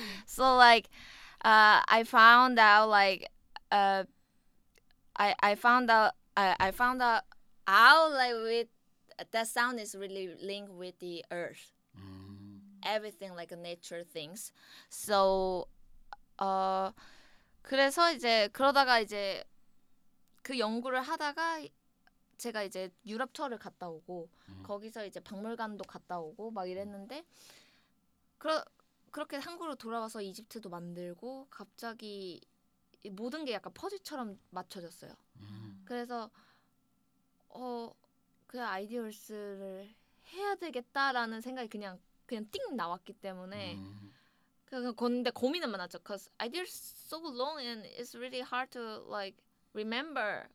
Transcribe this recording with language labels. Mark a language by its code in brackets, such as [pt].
[en] So like I found out like I found out like with that sound is really linked with the earth, everything like nature things. So, [ko] 그래서 이제 그러다가 이제 그 연구를 하다가 제가 이제 유럽 투어를 갔다 오고 거기서 이제 박물관도 갔다 오고 막 이랬는데 그렇게 한국으로 돌아와서 이집트도 만들고 갑자기 모든 게 약간 퍼즐처럼 맞춰졌어요. 그래서 그냥 아이디어스를 해야 되겠다라는 생각이 그냥 띵 나왔기 때문에 그냥 근데 고민은 많았죠. [en] Cause ideas so long and it's really hard to like remember.